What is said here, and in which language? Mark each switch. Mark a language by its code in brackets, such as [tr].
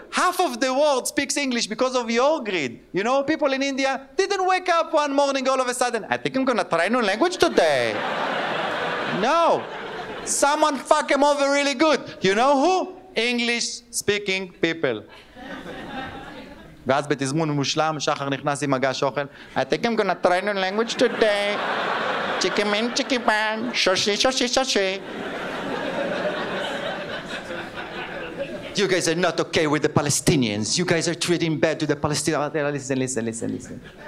[en] Half of the world speaks English because of your greed. You know, people in India didn't wake up one morning all of a sudden. I think I'm going to try a new language today. No. Someone fuck him over really good. You know who? English speaking people. [he] ואז בתזמון מושלם, שחר נכנס עם מגש אוכל. [en] I think I'm gonna train a language today. Chicken min, chicken pan. Shoshi, shoshi, shoshi. You guys are not okay with the Palestinians. You guys are treating bad to the Palestinians. Listen, listen, listen, listen.